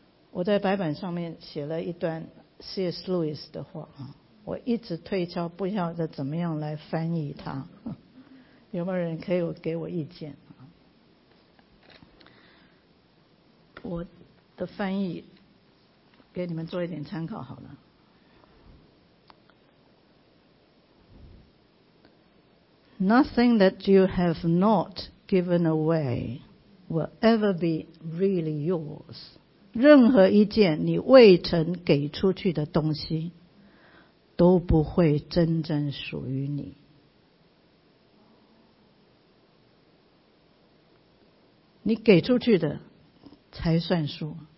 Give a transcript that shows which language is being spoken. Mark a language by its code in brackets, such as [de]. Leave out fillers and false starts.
[zh] 我在白板上面写了一段 C.S. Lewis 的话，我一直推敲，不晓得怎么样来翻译它，有没有人可以给我意见？我的翻译给你们做一点参考好了。 [en] Nothing that you have not given away will ever be really yours. [zh] 任何一件你未曾给出去的东西都不会真正属于你。你给出去的才算数。